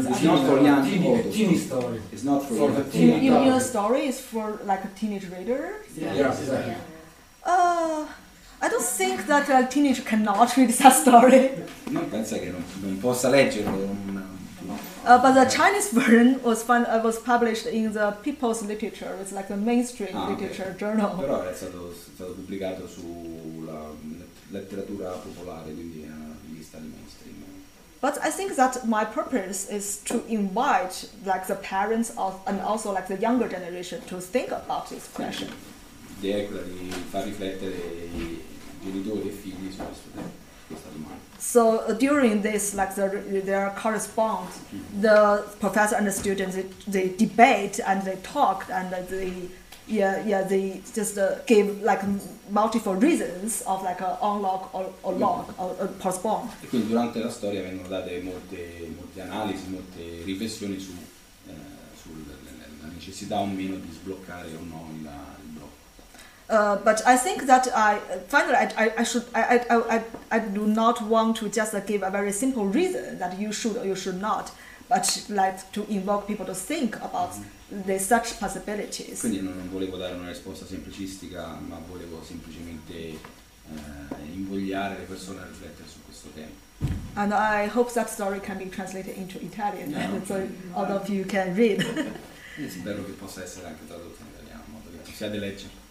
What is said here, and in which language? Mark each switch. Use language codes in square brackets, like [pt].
[en] It's not for young people. Teen story. It's not for young people. You mean a story is for like a teenage reader? Yes, exactly. I don't think that a teenager cannot read that story. [it] Non pensa che non possa leggerlo. [en] But the Chinese version was was published in the People's Literature, it's like a mainstream literature journal. [it] Però è stato pubblicato sulla letteratura popolare, quindi una rivista di mainstream. [en] But I think that my purpose is to invite like the parents of and also like the younger generation to think about this question. [it] L'idea è quella di far riflettere i genitori e i figli su questo tema. [en] So during this, like their correspondence, the professor and the students they debate and they talk and they just give like multiple reasons of like unlock or lock or postpone. [it] E quindi durante la storia vengono date molte analisi, molte riflessioni su sulla necessità o meno di sbloccare o no il blocco. [en] But I think that I do not want to just give a very simple reason that you should or you should not, but like to invoke people to think about the such possibilities. [it] Quindi non volevo dare una risposta semplicistica, ma volevo semplicemente invogliare le persone a riflettere su questo tema. [en] And I hope that story can be translated into Italian, so all of you can read. [it] Spero che possa essere anche tradotto in italiano, in modo che ci sia di leggere.